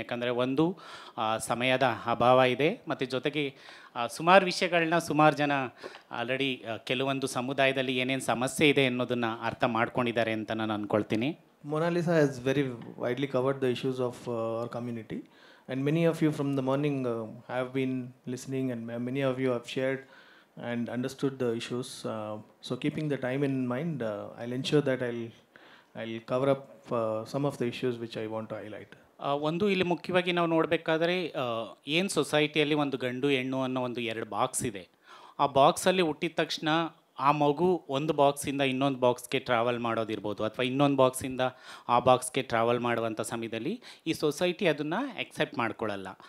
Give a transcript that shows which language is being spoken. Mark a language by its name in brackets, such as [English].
[Kannada] ಯಾಕಂದರೆ ಒಂದು ಸಮಯದ ಅಭಾವ ಇದೆ, ಮತ್ತು ಜೊತೆಗೆ ಸುಮಾರು ವಿಷಯಗಳನ್ನ ಸುಮಾರು ಜನ ಆಲ್ರೆಡಿ ಕೆಲವೊಂದು ಸಮುದಾಯದಲ್ಲಿ ಏನೇನು ಸಮಸ್ಯೆ ಇದೆ ಅನ್ನೋದನ್ನು ಅರ್ಥ ಮಾಡ್ಕೊಂಡಿದ್ದಾರೆ ಅಂತ ನಾನು ಅಂದ್ಕೊಳ್ತೀನಿ. [English] Monalisa has very widely covered the issues of our community, and many of you from the morning have been listening and many of you have shared and understood the issues. So keeping the time in mind, I'll ensure that I'll cover up some of the issues which I want to highlight. [Kannada] ಒಂದು ಇಲ್ಲಿ ಮುಖ್ಯವಾಗಿ ನಾವು ನೋಡಬೇಕಾದ್ರೆ ಏನು ಸೊಸೈಟಿಯಲ್ಲಿ ಒಂದು ಗಂಡು ಹೆಣ್ಣು ಅನ್ನೋ ಒಂದು ಎರಡು ಬಾಕ್ಸ್ ಇದೆ. ಆ ಬಾಕ್ಸಲ್ಲಿ ಹುಟ್ಟಿದ ತಕ್ಷಣ ಆ ಮಗು ಒಂದು ಬಾಕ್ಸಿಂದ ಇನ್ನೊಂದು ಬಾಕ್ಸ್ಗೆ ಟ್ರಾವೆಲ್ ಮಾಡೋದಿರ್ಬೋದು, ಅಥವಾ ಇನ್ನೊಂದು ಬಾಕ್ಸಿಂದ ಆ ಬಾಕ್ಸ್ಗೆ ಟ್ರಾವೆಲ್ ಮಾಡುವಂಥ ಸಮಯದಲ್ಲಿ ಈ ಸೊಸೈಟಿ ಅದನ್ನು ಎಕ್ಸೆಪ್ಟ್ ಮಾಡ್ಕೊಳ್ಳಲ್ಲ.